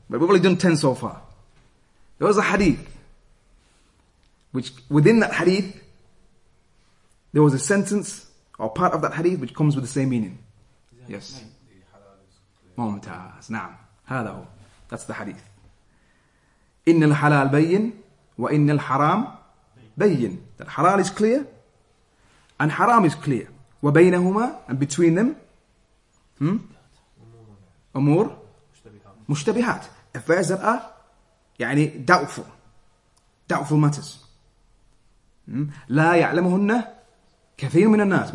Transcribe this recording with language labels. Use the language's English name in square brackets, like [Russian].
[English] But we've only done 10 so far. There was a hadith, which within that hadith, there was a sentence or part of that hadith which comes with the same meaning. Yes. [Arabic] ممتاز. نعم هذا هو. [English] That's the hadith. [Arabic] إن الحلال بين وإن الحرام بين. [English] The halal is clear and haram is clear. [Arabic] وبينهما [English] and between them [Arabic] أمور مشتبهات. [English] Affairs that are يعني doubtful. Doubtful matters. [Arabic] لا يعلمهن كثير من الناس.